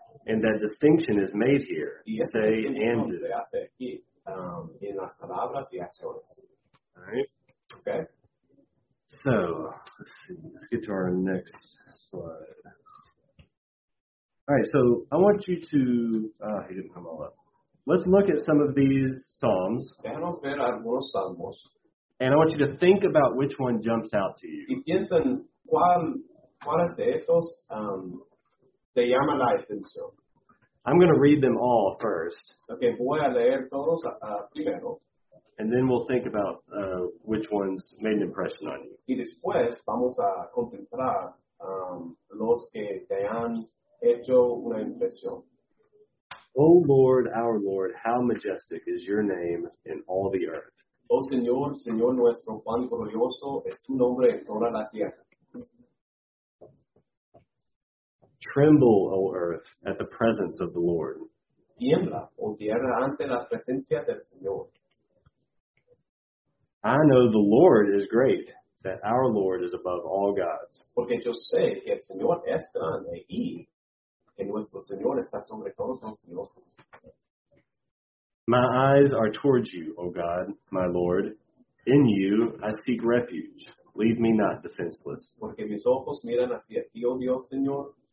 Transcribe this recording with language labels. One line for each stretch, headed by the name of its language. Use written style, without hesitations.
English: And that distinction is made here, say and do.
Spanish: Se hace aquí, en las palabras y acciones.
English: All right. Okay. So, let's see. Let's get to our next slide. All right, so I want you to, he didn't come all up. let's look at some of these psalms.
Spanish: Vamos ver algunos salmos.
English: And I want you to think about which one jumps out to you.
Spanish: Y piensen cuál es de estos te llama la atención.
English: I'm going to read them all first.
Spanish: Okay, voy a leer todos primero.
English: And then we'll think about which ones made an impression on you.
Spanish: Y después vamos a contemplar los que te han hecho una impresión.
English: O Lord, our Lord, how majestic is your name in all the earth.
Spanish: Oh Señor, Señor nuestro, cuán glorioso es tu nombre en toda la tierra.
English: Tremble, O earth, at the presence of the Lord.
Spanish: Tiembla, O tierra, ante la presencia del Señor.
English: I know the Lord is great, that our Lord is above all gods.
Spanish: Porque yo sé que el Señor es grande y que nuestro Señor está sobre todos los dioses.
English: My eyes are towards you, O God, my Lord. In you I seek refuge. Leave me not defenseless.
Spanish: Porque mis ojos miran hacia ti, O Dios, Señor.